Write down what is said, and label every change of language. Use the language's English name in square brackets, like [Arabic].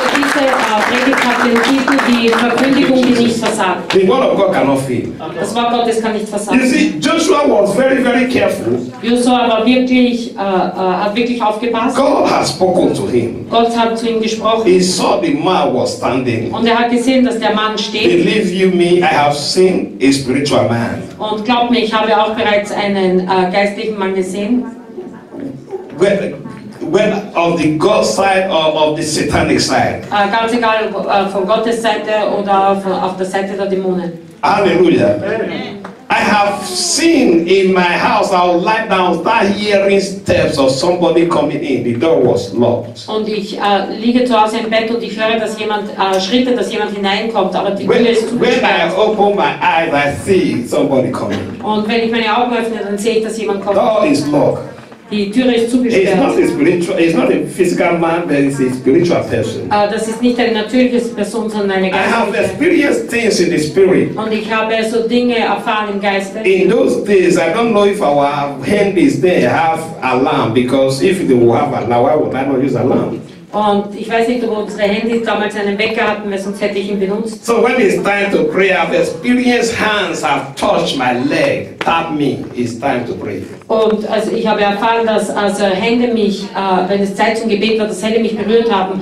[German] So diese Predigt hat den Titel: Die Verkündigung, die nicht versagt. [English] The word of God cannot fail. [German] Das Wort Gottes kann nicht versagen. [English] You see, Joshua was very, very careful. [German] Joshua war wirklich, hat wirklich aufgepasst. [English] God has spoken to him. [German] Gott hat zu ihm gesprochen. [English] He saw the man was standing. [German] Und er hat gesehen, dass der Mann steht. [English] Believe you me, I have seen a spiritual man. [German] Und glaub mir, ich habe auch bereits einen geistlichen Mann gesehen. [English] When of the God side or of the satanic side. [German] Ganz egal, von Gottes Seite oder auf der Seite der Dämonen. [English] Halleluja. I have seen in my house, I would lie down, start hearing steps of somebody coming in. The door was locked. [German] Und ich liege zu Hause im Bett und ich höre, dass jemand schritte, dass jemand hineinkommt, aber die Tür ist zugesperrt. [English] When I open my eyes, I see somebody coming. [German] Und wenn ich meine Augen öffne, dann sehe ich, dass jemand kommt. [English] Door is locked. [German] Die Tür ist zugesperrt. [English] It's not a spiritual, it's not a physical man, but it's a spiritual person. [German] Das ist nicht eine natürliche Person, sondern eine geistliche. [English] I have experienced things in the spirit. [German] Und ich habe so Dinge erfahren im Geist. [English] In those days, I don't know if our hand is there, have alarm, because if it will have alarm, why would I not use alarm? [German] Und ich weiß nicht, ob unsere Handys damals einen Wecker hatten, weil sonst hätte ich ihn benutzt. [English] So when it's time to pray, I've experienced hands have touched my leg, tap me, it's time to pray. [German] Und also ich habe erfahren, dass also Hände mich, wenn es Zeit zum Gebet war, dass Hände mich berührt haben.